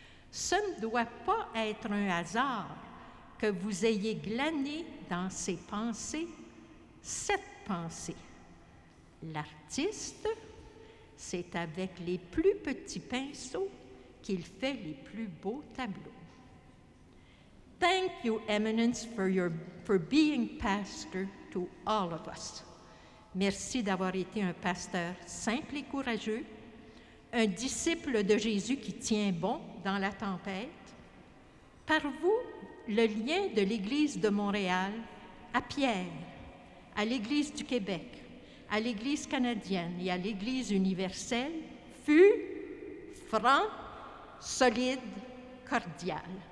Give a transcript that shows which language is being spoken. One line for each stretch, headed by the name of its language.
French: Ce ne doit pas être un hasard que vous ayez glané dans ses pensées cette pensée. L'artiste, c'est avec les plus petits pinceaux qu'il fait les plus beaux tableaux.
English: Thank you, Eminence, for being pastor to all of us.
French: Merci d'avoir été un pasteur simple et courageux, un disciple de Jésus qui tient bon dans la tempête. Par vous, le lien de l'Église de Montréal à Pierre, à l'Église du Québec, à l'Église canadienne et à l'Église universelle fut franc, solide, cordial.